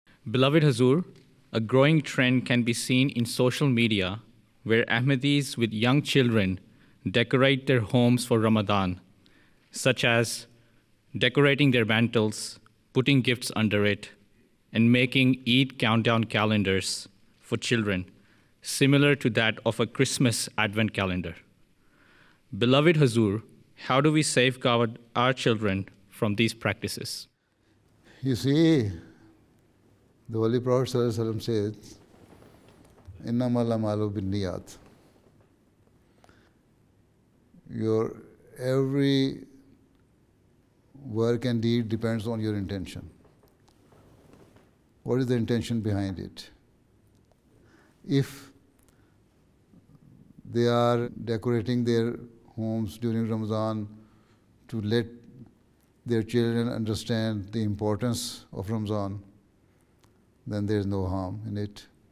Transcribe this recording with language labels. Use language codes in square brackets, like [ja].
[en] Beloved Hazur, a growing trend can be seen in social media where Ahmadis with young children decorate their homes for Ramadan, such as decorating their mantles, putting gifts under it, and making Eid countdown calendars for children, similar to that of a Christmas Advent calendar. Beloved Hazur, how do we safeguard our children from these practices? You see, the Holy Prophet صلی اللہ علیہ وسلم said, [ar] اِنَّمَا الْأَعْمَالُ بِالنِّيَّاتِ. [en] Your every work and deed depends on your intention. What is the intention behind it? If they are decorating their homes during Ramadan to let their children understand the importance of Ramadan, then there is no harm in it.